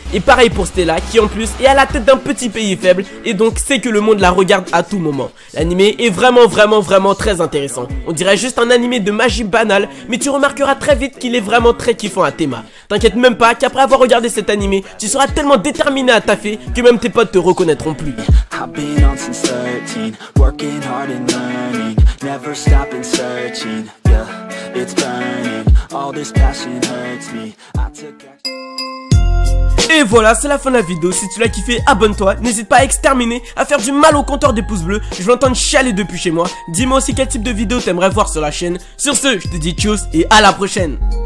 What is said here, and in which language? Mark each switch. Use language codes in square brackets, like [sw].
[fr] Et pareil pour Stella, qui en plus est à la tête d'un petit pays faible, et donc sait que le monde la regarde à tout moment. L'animé est vraiment très intéressant. On dirait juste un animé de magie banale, mais tu remarqueras très vite qu'il est vraiment très kiffant à théma. T'inquiète même pas qu'après avoir regardé cet animé, tu seras tellement déterminé à taffer que même tes potes te reconnaîtront plus. [en] I've been on since 13, working hard and learning, never stopping searching, yeah, it's burning, all this passion hurts me, I took a... [fr] Et voilà, c'est la fin de la vidéo. Si tu l'as kiffé, abonne-toi. N'hésite pas à exterminer, à faire du mal au compteur des pouces bleus. Je l'entends chialer depuis chez moi. Dis-moi aussi quel type de vidéo t'aimerais voir sur la chaîne. Sur ce, je te dis tchuss et à la prochaine.